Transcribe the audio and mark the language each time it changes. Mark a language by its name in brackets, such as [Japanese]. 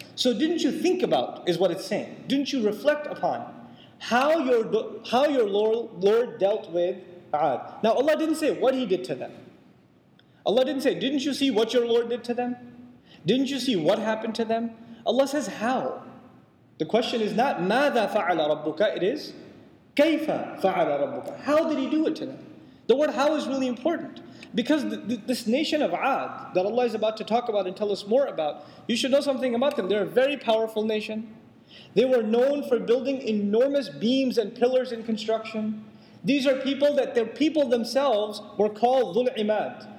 [English] So didn't you think about, is what it's saying. Didn't you reflect upon how your Lord dealt with Ad? Now Allah didn't say what he did to them. Allah didn't say, didn't you see what your Lord did to them? Didn't you see what happened to them? Allah says, how? The question is not, [Arabic] ماذا فعل ربك? [English] It is, [Arabic] كيف فعل ربك? [English] How did he do it to them? The word how is really important. Because this nation of Ad, that Allah is about to talk about and tell us more about, you should know something about them. They're a very powerful nation. They were known for building enormous beams and pillars in construction. These are people that their people themselves were called ذُلْ عِمَاد.